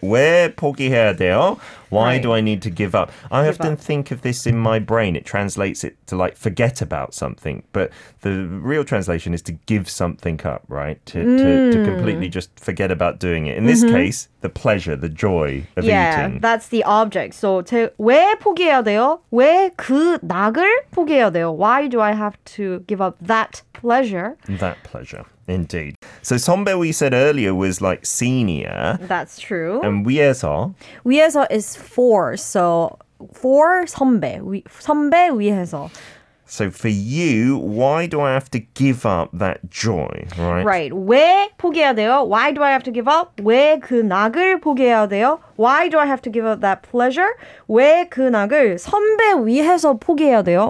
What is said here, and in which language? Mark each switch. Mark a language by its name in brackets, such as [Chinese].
[Korean] 왜 포기해야 돼요? [English] Why do I need to give up? I often think of this in my brain. It translates it to like forget about something. But the real translation is to give something up, right? To completely just forget about doing it. In this case, the pleasure, the joy of eating. Yeah, that's the object. So [Korean] 왜 포기해야 돼요? 왜 그 낙을 포기해야 돼요? [English] Why do I have to give up that pleasure? That pleasure. Indeed. So 선배 we said earlier was like senior. That's true. [Korean] And 위에서. [English] 위에서 is for. So for 선배. [Korean] 선배 위에서. [English] So for you, why do I have to give up that joy, right? Right. [Korean] 왜 포기해야 돼요? [English] Why do I have to give up? [Korean] 왜 그 낙을 포기해야 돼요? [English] Why do I have to give up that pleasure? [Korean] 왜 그 낙을 선배 위해서 포기해야 돼요?